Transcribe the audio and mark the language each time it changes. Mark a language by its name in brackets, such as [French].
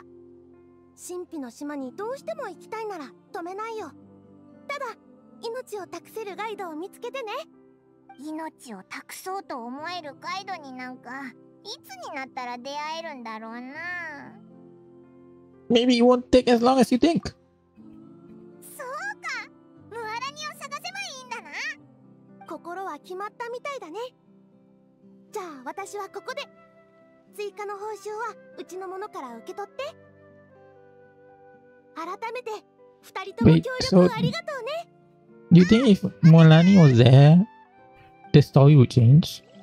[Japanese] 神秘の島にどうしても行きたいなら止めないよ。ただ命を託せるガイドを見つけてね。命を託そうと思えるガイドになんかいつになったら出会えるんだろうな。 [English] Maybe it won't take as long as you think. [Japanese] そうか、ムアラニを探せばいいんだな。心は決まったみたいだね。じゃあ私はここで。追加の報酬はうちの者から受け取って。改めて二人とも協力ありがとうね。 [English] Do you think if Mulani was there, the story would change?